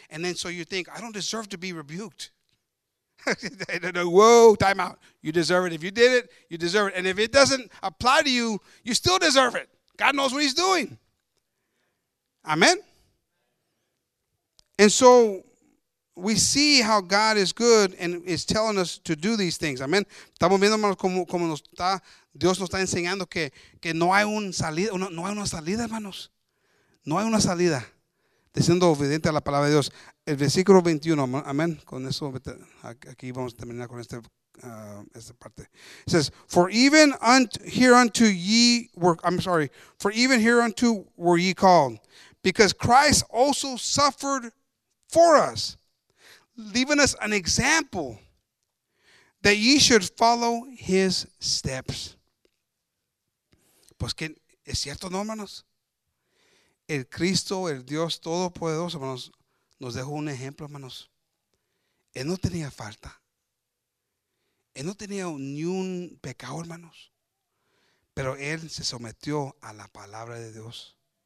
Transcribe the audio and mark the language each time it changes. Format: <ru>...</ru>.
<en>And then so you think, I don't deserve to be rebuked. Whoa, time out. You deserve it. If you did it, you deserve it. And if it doesn't apply to you, you still deserve it. God knows what he's doing. Amen. And so we see how God is good and is telling us to do these things. Amen.</en> <es>Estamos viendo, hermanos, como nos está, Dios nos está enseñando que no hay un salida, no hay una salida, hermanos. No hay una salida. Siendo obediente a la palabra de Dios. El versículo 21, amén. Con eso, aquí vamos a terminar con este, esta parte.</es> <en>It says, for even hereunto were ye called, because Christ also suffered for us, leaving us an example that ye should follow his steps.</en> <es>Pues que es cierto, ¿no, hermanos? El Cristo, el Dios Todopoderoso, hermanos, nos dejó un ejemplo, hermanos. Él no tenía falta. Él no tenía ni un pecado, hermanos. Pero él se sometió a la palabra de Dios.</es>